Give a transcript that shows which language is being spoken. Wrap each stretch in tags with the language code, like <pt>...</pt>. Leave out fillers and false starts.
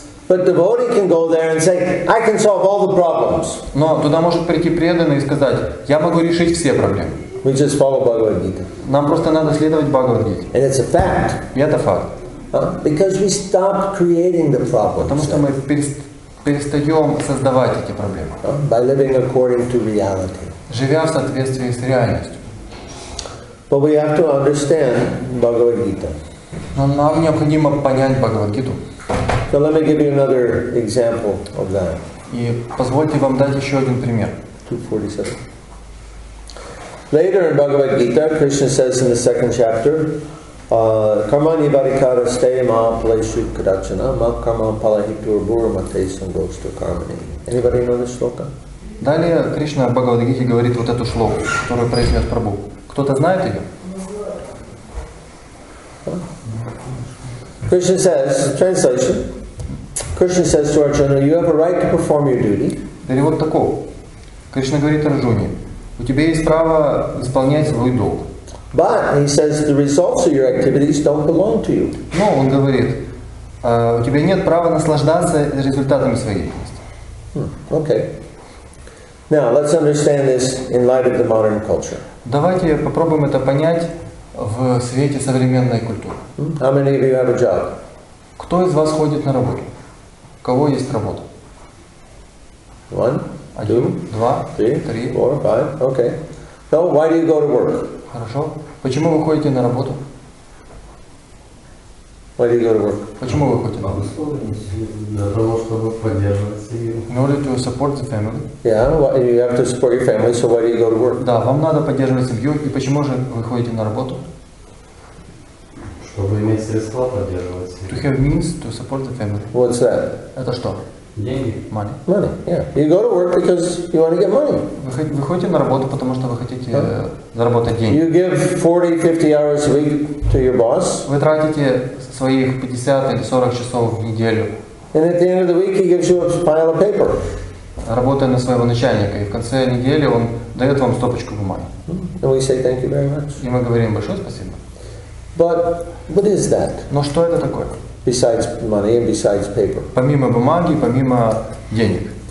<en>But devotee can go there and say, I can solve all the problems.</en> <ru>Но туда может прийти преданный и сказать, я могу решить все проблемы.</ru> <en>We just follow Bhagavad Gita.</en> <ru>Нам просто надо следовать Bhagavad Gita.</ru> <en>And it's a fact.</en> <ru>И это факт.</ru> <en>Because we stop creating the problems.</en> <ru>Потому что мы перестаем создавать эти проблемы.</ru> <en>By living according to reality.</en> <ru>Живя в соответствии с реальностью.</ru> <en>But we have to understand Bhagavad Gita.</en> <ru>Но нам необходимо понять Бхагавад Гиту.</ru> <en>So let me give you another example of that.</en> <ru>И позвольте вам дать еще один пример.</ru> <en>247. Later in Bhagavad Gita, Krishna says in the second chapter,</en> <sa>Karmani Varikara Stayma Palaishu Kadachana, Ma Karma Palahitur Burmate Sangosta Karmani.</sa> <en>Anybody know this shloka?</en> <ru>Далее Кришна в Бхагавад Гите говорит вот эту шлоку, которую произнес Прабху. Кто-то знает ее?</ru> <en>Krishna says, translation. Krishna says to Arjuna, you have a right to perform your duty.</en> <ru>Перевод такой. Кришна говорит Арджуне, у тебя есть право исполнять свой долг.</ru> <en>But he says the results of your activities don't belong to you.</en> <ru>Но он говорит, у тебя нет права наслаждаться результатами своей деятельности.</ru> <en>Okay. Now let's understand this in light of the modern culture.</en> <ru>Давайте попробуем это понять в свете современной культуры.</ru> <en>How many of you have a job?</en> <ru>Кто из вас ходит на работу? У кого есть работа?</ru> <en>One,</en> <ru>один, два, три,</ru> <en>four, five. Okay. So why do you go to work?</en> <ru>Хорошо. Почему вы ходите на работу?</ru> <en>Why do you go to work?</en> <ru>Почему вы ходите на работу? Для того, чтобы поддерживать семью.</ru> <en>In order to support the family. Yeah, you have to support your family, so why do you go to work?</en> <ru>Да, вам надо поддерживать семью, и почему же вы ходите на работу? Чтобы иметь средства поддерживать семью.</ru> <en>To have means to support the family. What's that?</en> <ru>Это что? Деньги.</ru> <en>Money. Money, yeah. You go to work because you want to get money.</en> <ru>Вы ходите на работу, потому что вы хотите заработать деньги.</ru> <en>You give 40-50 hours a week to your boss.</en> <ru>Вы тратите своих 50 или 40 часов в неделю.</ru> <en>And at the end of the week he gives you a pile of paper.</en> <ru>Работая на своего начальника, и в конце недели он дает вам стопочку бумаги.</ru> <en>And we say thank you very much.</en> <ru>И мы говорим большое спасибо.</ru> <en>But what is that?</en> <ru>Но что это такое?</ru> <en>Besides money and besides paper.</en> <ru>Помимо бумаги, помимо денег.</ru>